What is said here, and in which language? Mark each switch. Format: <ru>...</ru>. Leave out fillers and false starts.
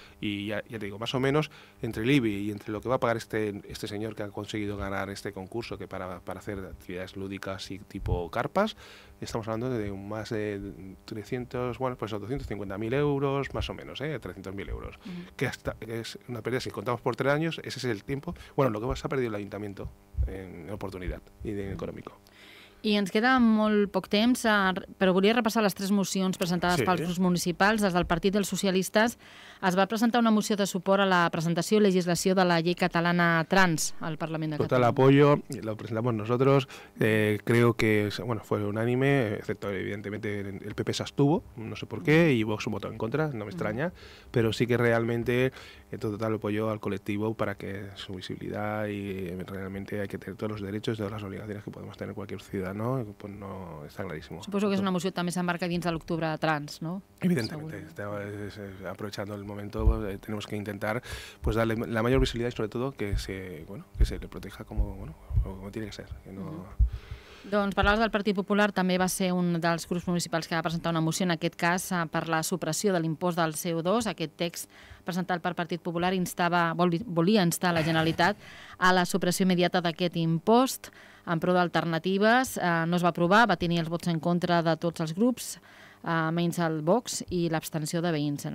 <es>y ya te digo, más o menos entre el IBI y entre lo que va a pagar este señor que ha conseguido ganar este concurso, que para hacer actividades lúdicas y tipo carpas, estamos hablando de más de 300, bueno, pues 250.000 euros, más o menos, 300.000 euros. Uh-huh. Que es una pérdida, si contamos por tres años, ese es el tiempo, bueno, lo que se ha perdido el ayuntamiento en oportunidad y en económico.</es> <ca>I ens queda molt poc temps, però volia repassar les tres mocions presentades pels grups municipals. Des del Partit dels Socialistes es va presentar una moció de suport a la presentació i legislació de la llei catalana trans al Parlament de Catalunya.</ca> <es>Total apoyo, lo presentamos nosotros, creo que bueno, fue unánime, excepto evidentemente el PP se abstuvo, no sé por qué, y Vox votó en contra, no me extraña, pero sí que realmente total apoyo al colectivo para que su visibilidad y realmente hay que tener todos los derechos y todas las obligaciones que podemos tener cualquier ciudadano. No, pues no, está clarísimo.</es> <ca>Suposo que és una moció que també s'embarca dins de l'octubre trans, no?</ca> <es>Evidentemente, aprovechando el momento, tenemos que intentar pues darle la mayor visibilidad y sobre todo que se, bueno, que se le proteja como, bueno, como tiene que ser. Que no...</es> <ca>Doncs parlaves del Partit Popular, també va ser un dels grups municipals que va presentar una moció en aquest cas per la supressió de l'impost del CO2, aquest text presentat pel Partit Popular instava, volia instar la Generalitat a la supressió immediata d'aquest impost en prou d'alternatives, no es va aprovar, va tenir els vots en contra de tots els grups, menys el Vox i l'abstenció de veïns.</ca>